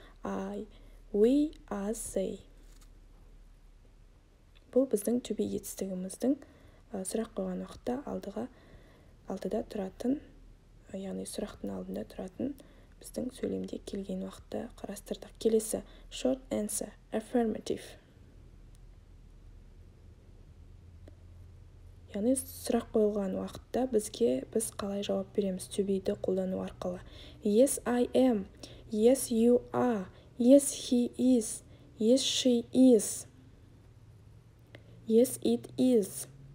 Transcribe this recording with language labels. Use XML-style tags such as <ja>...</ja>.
<en>Are we? Are they?</en> <kk>Бұл біздің to be етістігіміздің сұрақ қойған уақытта алдыда тұратын, яғни сұрақтың алдында тұратын біздің сөйлемде келген уақытта қарастырдық.</kk> <en>Келесі short answer, affirmative.</en> <kk>Яғни сұрақ қойылған уақытта біз қалай жауап береміз to be-ді қолдану арқылы.</kk> <en>Yes, I am. Yes, you are. Yes, he is. Yes, she is. Yes, it is.</en>